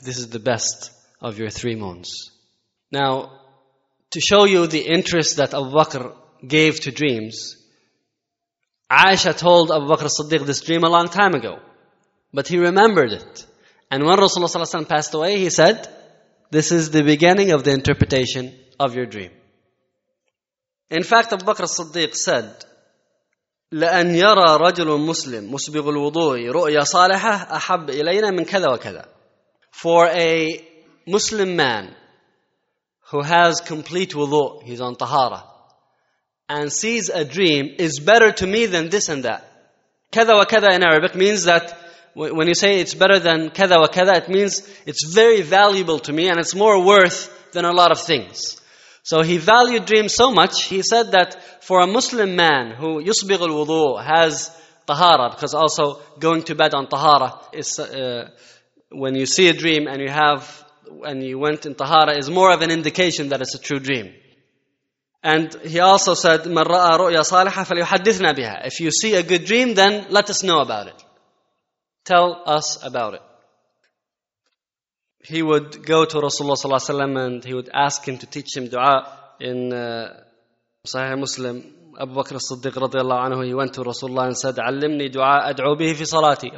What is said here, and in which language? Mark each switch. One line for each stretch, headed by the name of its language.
English: This is the best of your three moons. Now, to show you the interest that Abu Bakr gave to dreams, Aisha told Abu Bakr as-Siddiq this dream a long time ago. But he remembered it. And when Rasulullah ﷺ passed away, he said, this is the beginning of the interpretation of your dream. In fact, Abu Bakr as-Siddiq said,
Arabic: لأن يرى رجل مسلم مسبغ الوضوء رؤيا صالحة أحب إلينا من كذا وكذا.
English: For a Muslim man who has complete wudu, he's on tahara, and sees a dream, is better to me than this and that.
Arabic: كذا وكذا
English: in Arabic means that when you say it's better than كذا وكذا, it means it's very valuable to me and it's more worth than a lot of things. So he valued dreams so much, he said that for a Muslim man who
Arabic: يصبغ الوضوء,
English: has tahara, because also going to bed on tahara is when you see a dream and you have and you went in tahara is more of an indication that it's a true dream. And he also said
Arabic: من رأى رؤيا صالحة فليحدثنا بها.
English: If you see a good dream, then let us know about it. Tell us about it. He would go to Rasulullah sallallahu alaihi wasallam and he would ask him to teach him dua in Sahih Muslim. Abu Bakr as-Siddiq radiallahu anhu, he went to Rasulullah and said,
Arabic: "Allimni dua ad'u bihi fi salati."